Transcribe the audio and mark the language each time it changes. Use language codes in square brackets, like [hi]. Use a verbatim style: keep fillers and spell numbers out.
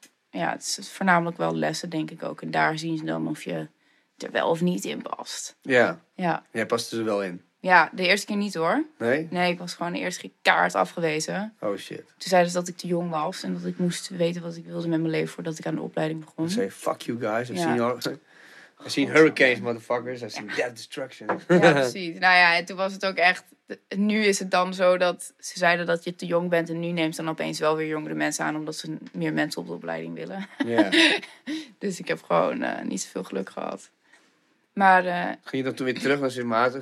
[nl] Ja, het is voornamelijk wel lessen, denk ik ook. En daar zien ze dan of je er wel of niet in past. Ja, Ja, jij past er wel in. Ja, de eerste keer niet hoor. Nee? Nee, ik was gewoon de eerste keer kaart afgewezen. Oh shit. Toen zeiden ze dat ik te jong was en dat ik moest weten wat ik wilde met mijn leven voordat ik aan de opleiding begon. Ze zei, [en] fuck you guys, I've seen all... I've seen hurricanes, motherfuckers. I've seen death destruction. [nl] Ja, precies. Nou ja, en toen was het ook echt... Nu is het dan zo dat ze zeiden dat je te jong bent... en nu neemt dan opeens wel weer jongere mensen aan... omdat ze meer mensen op de opleiding willen. Ja. Dus ik heb gewoon uh, niet zoveel geluk gehad. Maar... Uh, ging je dan toen weer terug naar Sint Maarten?